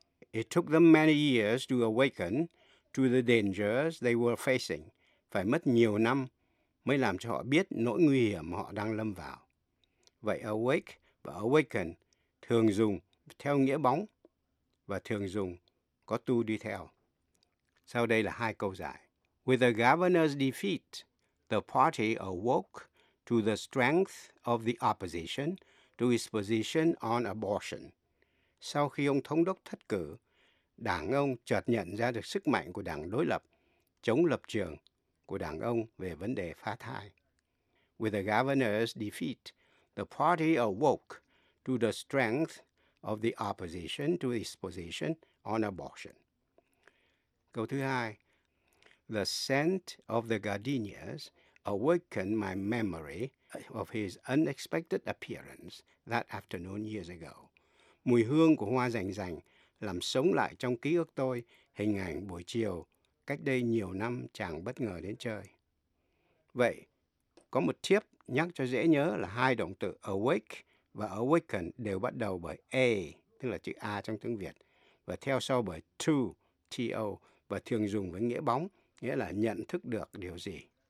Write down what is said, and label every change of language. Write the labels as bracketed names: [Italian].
[English] It took them many years to awaken to the dangers they were facing. [Vietnamese] Phải mất nhiều năm mới làm cho họ biết nỗi nguy hiểm họ đang lâm vào. Vậy awake và awaken thường dùng theo nghĩa bóng và thường dùng có to đi theo. Sau đây là hai câu giải. [English] With the governor's defeat, the party awoke to the strength of the opposition to its position on abortion. [Vietnamese] Sau khi ông thống đốc thất cử, đảng ông chợt nhận ra được sức mạnh của đảng đối lập chống lập trường của đảng ông về vấn đề phá thai. [English] With the governor's defeat, the party awoke to the strength of the opposition to its position on abortion. [Vietnamese] Câu thứ hai, [English] the scent of the gardenias awakened my memory of his unexpected appearance that afternoon years ago. [Vietnamese] Mùi hương của hoa rành rành làm sống lại trong ký ức tôi hình ảnh buổi chiều cách đây nhiều năm chàng bất ngờ đến chơi. Vậy, có một tip nhắc cho dễ nhớ là hai động từ awake và awaken đều bắt đầu bởi A, tức là chữ A trong tiếng Việt, và theo sau bởi to, T-O, và thường dùng với nghĩa bóng, nghĩa là nhận thức được điều gì.